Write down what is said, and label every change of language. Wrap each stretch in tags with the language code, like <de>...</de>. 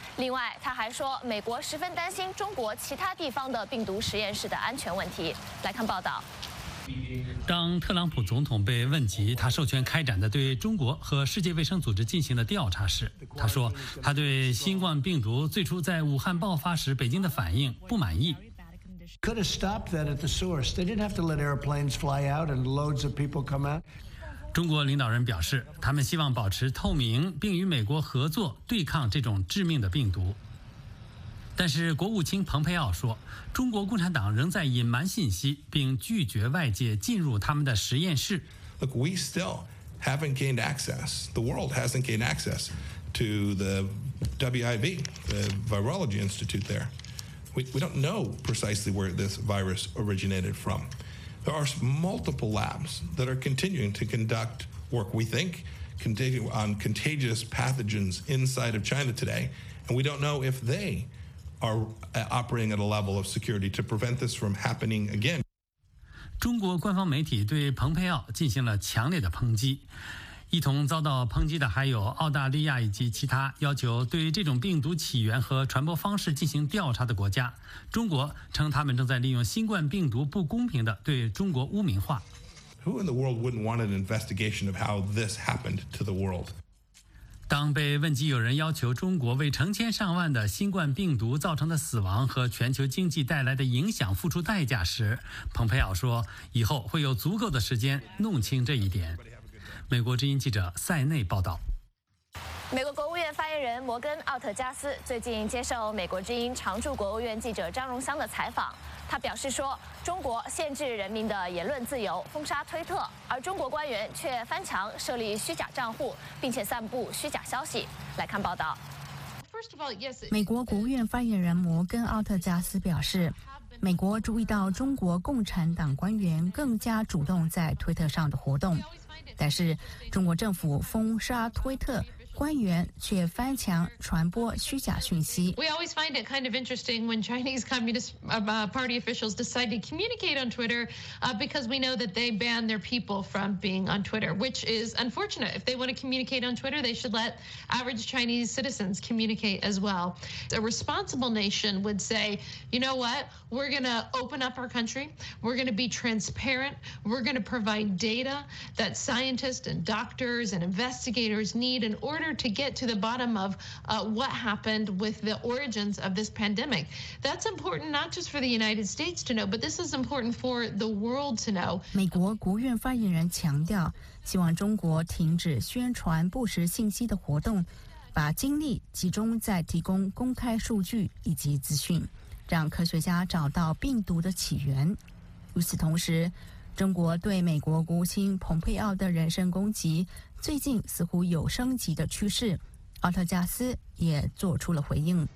<zh>另外，他还说，美国十分担心中国其他地方的病毒实验室的安全问题。来看报道。当特朗普总统被问及他授权开展的对中国和世界卫生组织进行的调查时，他说他对新冠病毒最初在武汉爆发时北京的反应不满意。</zh> <en>Could have stopped that at the source. They didn't have to let airplanes fly out and loads of people come out.</en> <zh>中国领导人表示，他们希望保持透明，并与美国合作对抗这种致命的病毒。但是国务卿蓬佩奥说，中国共产党仍在隐瞒信息，并拒绝外界进入他们的实验室。</zh> <en>Look, we still haven't gained access. The world hasn't gained access to the WIV, the Virology Institute there. We don't know precisely where this virus originated from. There are multiple labs that are continuing to conduct work, we think, on contagious pathogens inside of China today, and we don't know if they. Are operating at a level of security to prevent this from happening again.</en> <zh>中国官方媒体对蓬佩奥进行了强烈的抨击，一同遭到抨击的还有澳大利亚以及其他要求对这种病毒起源和传播方式进行调查的国家。中国称他们正在利用新冠病毒不公平地对中国污名化。</zh> <en>Who in the world wouldn't want an investigation of how this happened to the world?</en> <zh>当被问及有人要求中国为成千上万的新冠病毒造成的死亡和全球经济带来的影响付出代价时，蓬佩奥说，以后会有足够的时间弄清这一点。美国之音记者塞内报道。美国国务院发言人摩根·奥特加斯最近接受美国之音常驻国务院记者张荣香的采访，他表示说，中国限制人民的言论自由，封杀推特，而中国官员却翻墙设立虚假账户，并且散布虚假消息。来看报道。美国国务院发言人摩根·奥特加斯表示，美国注意到中国共产党官员更加主动在推特上的活动，但是中国政府封杀推特，官员却翻墙传播虚假讯息。</zh> <en>We always find it kind of interesting when Chinese Communist Party officials decide to communicate on Twitter, because we know that they ban their people from being on Twitter, which is unfortunate. If they want to communicate on Twitter, they should let average Chinese citizens communicate as well. A responsible nation would say, you know what? We're going to open up our country. We're going to be transparent. We're going to provide data that scientists and doctors and investigators need in order. To get to the bottom of what happened with the origins of this pandemic. That's important not just for the United States to know, but this is important for the world to know.</en> <zh>美国国务院发言人强调，希望中国停止宣传不实信息的活动，把精力集中在提供公开数据以及资讯，让科学家找到病毒的起源。与此同时，中国对美国国务卿蓬佩奥的人身攻击最近似乎有升级的趋势，奥特加斯也做出了回应。</zh>